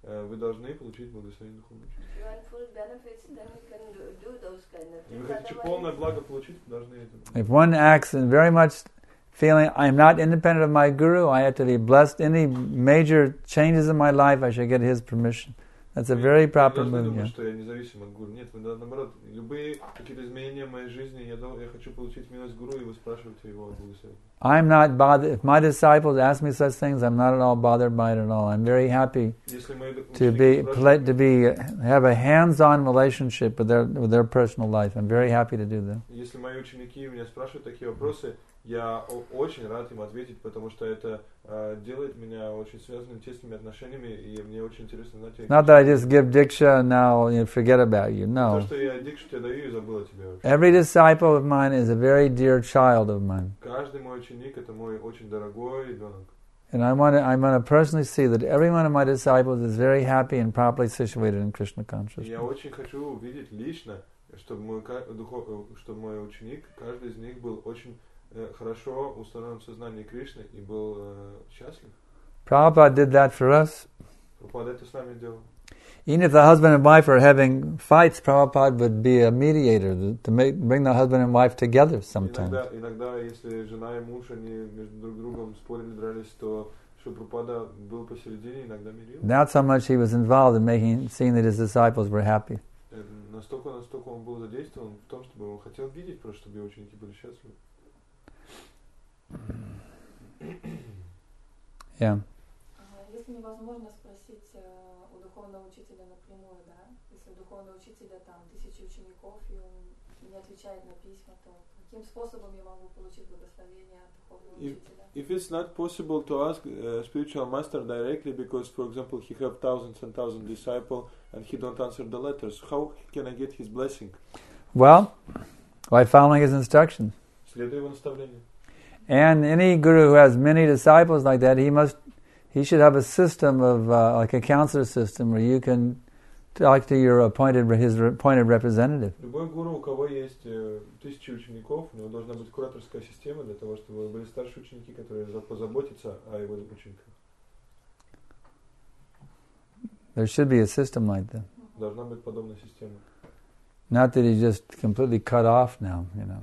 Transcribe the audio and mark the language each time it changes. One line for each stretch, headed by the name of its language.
Russian: Вы должны получить благословение духовного. Вы хотите полное благо получить, вы должны это.
English: If one acts in very much feeling I'm not independent of my guru, I have to be blessed. Any major changes in my life, I should get his permission. That's a very proper move.
Russian: Я думаю, что я независим от гуру. Нет, наоборот, любые какие-то изменения в моей жизни, я хочу получить милость гуру, и вы спрашиваете его о благословении.
English: I'm not bothered. If my disciples ask me such things, I'm not at all bothered by it at all. I'm very happy to have a hands-on relationship with their personal life. I'm very happy to do that.
Russian: Если мои ученики меня спрашивают такие вопросы, я очень рад им ответить, потому что это делает меня очень связанным тесными отношениями, и мне очень интересно знать.
English: Not that I just give diksha and now forget about you. No.
Russian: То, что я дикшу тебе даю, и забыл о тебе вообще.
English: Every disciple of mine is a very dear child of mine.
Russian: Каждый мой ученик это мой очень дорогой ребенок.
English: And I want to personally see that every one of my disciples is very happy and properly situated in Krishna consciousness.
Russian: Я очень хочу увидеть лично, чтобы мой ученик, каждый из них был очень хорошо установлен в сознании Кришны и был счастлив.
English: Prabhupada did that for us.
Russian: Prabhupada это с нами делал.
English: Even if the husband and wife are having fights, Prabhupada would be a mediator to make, bring the husband and wife together sometimes.
Russian: Иногда, если жена и муж они между друг другом спорили, дрались, то Шупрапада был посередине, иногда мирил.
English: That's how much he was involved in seeing that his disciples were happy.
Russian: Настолько он был задействован в том, чтобы он хотел видеть, просто чтобы его ученики были счастливы.
English: Yeah.
Russian: Если невозможно спросить у духовного учителя напрямую, да? Если у духовного учителя там тысячи учеников и он не отвечает на письма, то каким способом я могу получить благословение от духовного учителя?
English: If it's not possible to ask spiritual master directly because, for example, he have thousands and thousands of disciples and he don't answer the letters, how can I get his blessing? Well, by following his instructions.
Russian: Следуя его наставлениям.
English: And any guru who has many disciples like that, he should have a system of like a counselor system where you can talk to your appointed his appointed representative.
Russian: Любой гуру, у кого есть тысячи учеников, у него должна быть кураторская система для того, чтобы были старшие ученики, которые позаботятся о его учениках.
English: There should be a system like that.
Russian: Должна быть подобная система.
English: Not that he's just completely cut off now, you know.